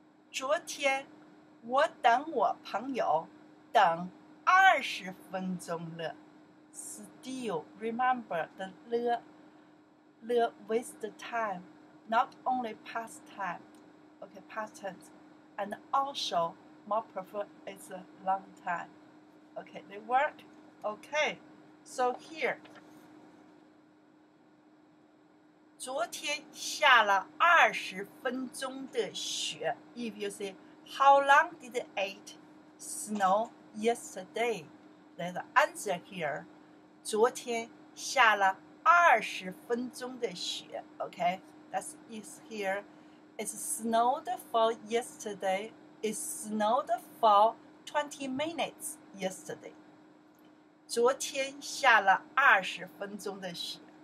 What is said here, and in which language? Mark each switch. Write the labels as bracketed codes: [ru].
[zh] 昨天我等我朋友等二十分钟了。 [en] Still, remember the le with the time, not only past time, okay, past tense, and also more prefer is a long time. Okay, they work? Okay, so here. [zh] 昨天下了二十分钟的雪。 [en] If you say, how long did it snow yesterday? There's an answer here. [zh] 昨天下了二十分钟的雪。 [en] Okay, that is here. It snowed for yesterday. It snowed for 20 minutes yesterday. [zh] 昨天下了二十分钟的雪。